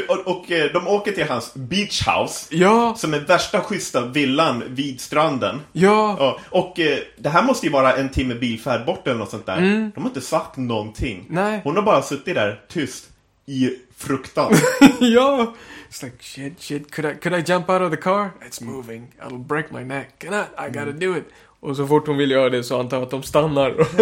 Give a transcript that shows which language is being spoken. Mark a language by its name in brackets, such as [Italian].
[Swedish] Och de åker till hans beach house. Ja. Som är värsta schyssta villan vid stranden. Ja. Och det här måste ju vara en timme bilfärd bort eller något sånt där. Mm. De har inte sagt någonting. Nej. Hon har bara suttit där tyst i fruktan. Ja. [English] It's like, shit, could I jump out of the car? It's moving, I'll break my neck, can I gotta do it. [Swedish] Och så fort hon vill göra det så antar jag att de stannar.